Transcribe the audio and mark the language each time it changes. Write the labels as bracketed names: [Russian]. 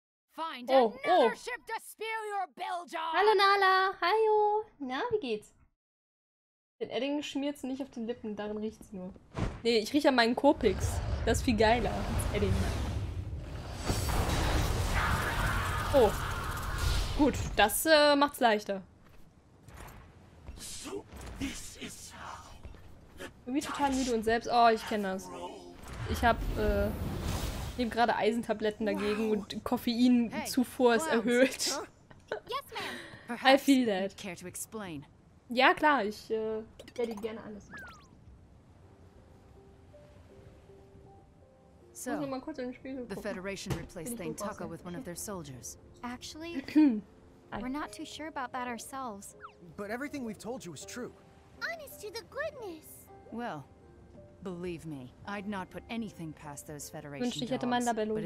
[English] Find another ship to spill your bilge on! [German] Hallo Nala! Hallo! Na, wie geht's? Den Edding schmiert's nicht auf den Lippen, darin riecht's nur. Nee, ich rieche an meinen Copix. Das ist viel geiler als Edding. Oh. Gut, das macht's leichter. Irgendwie total müde und selbst. Oh, ich kenne das. Ich hab, nehme gerade Eisentabletten dagegen und Koffeinzufuhr ist erhöht. [English] I feel that. Care to explain. [German] Ja, klar, ich werde gerne alles. So, muss nur mal kurz in den Spiegel gucken. [English] The Federation replaced Thane Tucker with one of their soldiers. Actually, we're not too sure about that ourselves. But everything we've told you is true. Honest to the goodness. Well, believe me, I'd not put anything past those Federation dogs. [German] Wünschte, ich hätte meinen Labello hier.